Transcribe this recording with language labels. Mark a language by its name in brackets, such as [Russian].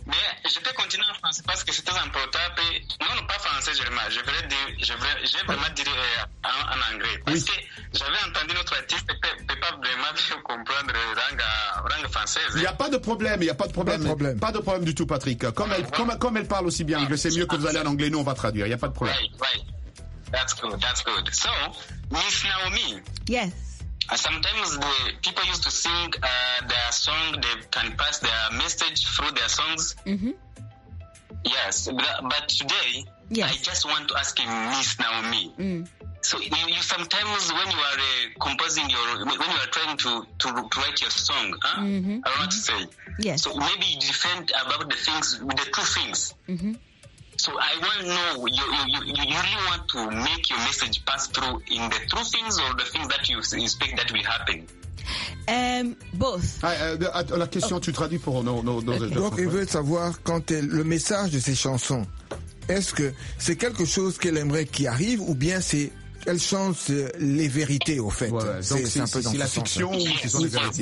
[French] Mais je peux continuer en français parce que c'est très important. Non, pas français, je vais vraiment dire en anglais. Parce que j'avais entendu notre artiste, je ne peux pas vraiment comprendre la langue française. Il n'y a pas de problème, Pas de problème du tout, Patrick. Comme elle parle aussi bien anglais, c'est mieux que vous allez en anglais, nous on va traduire, il n'y a pas de problème. [English] That's good. So, Miss Naomi. Yes. Sometimes the people used to sing their song. They can pass their message through their songs. Mm-hmm. Yes. But today, yes. I just want to ask Miss Naomi. Mm. So you sometimes, when you are composing your, when you are trying to write your song, I want to say. Yes. So maybe you defend about the things, the two things. Mm-hmm. So I want to know, you really want to make your message pass through in the true things or the things that you expect that will happen? Both. [French] La question, tu traduis pour nous. Donc, il veut savoir quand est le message de ses chansons. Est-ce que c'est quelque chose qu'elle aimerait qui arrive ou bien c'est... Elle chante les vérités, au fait. Voilà. Donc, c'est un peu dans la fiction ou ce sont les vérités.